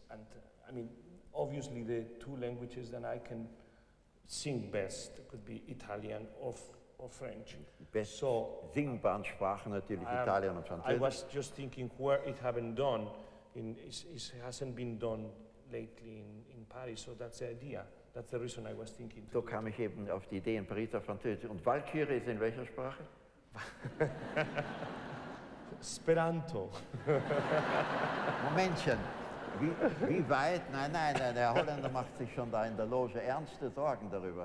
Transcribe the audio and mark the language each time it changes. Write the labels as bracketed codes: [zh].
[en] And I mean, obviously the two languages that I can sing best could be Italian or French. [de] Best so, singbaren Sprachen natürlich Italien und Französisch. [en] I was just thinking where it haven't done, it hasn't been done lately in Paris, so that's the idea. That's the reason I was thinking. [de] So kam ich eben auf die Idee, in Paris auf Französisch. Und Walküre ist in welcher Sprache? Speranto. Momentchen. Wie weit? Nein, Herr Holländer macht sich schon da in der Loge ernste Sorgen darüber.